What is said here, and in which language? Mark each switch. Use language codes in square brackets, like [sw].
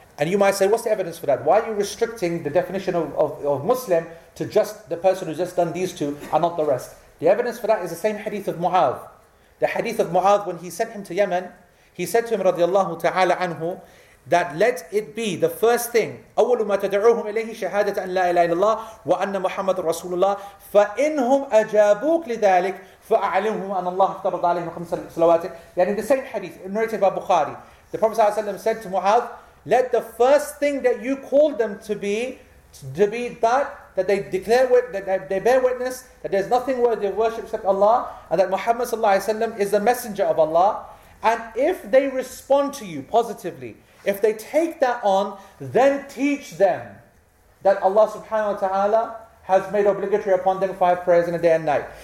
[en] And you might say, what's the evidence for that? Why are you restricting the definition of Muslim to just the person who's just done these two and not the rest? The evidence for that is the same hadith of Mu'adh. The hadith of Mu'adh, when he sent him to Yemen, he said to him, radiallahu ta'ala anhu, that let it be the first thing. [ar] أول ما تدعوهم إليه شهادة أن لا إله إلا الله وأن محمد رسول الله فإنهم أجابوك لذلك فأعلمهم أن الله افترض عليهم خمس صلوات. [en] يعني the same hadith narrated by Bukhari. The Prophet ﷺ said to Mu'adh, let the first thing that you call them to be that they declare, that they bear witness that there's nothing worthy of worship except Allah and that Muhammad ﷺ is the messenger of Allah. And if they respond to you positively, if they take that on, then teach them that Allah subhanahu wa ta'ala has made obligatory upon them five prayers in a day and night.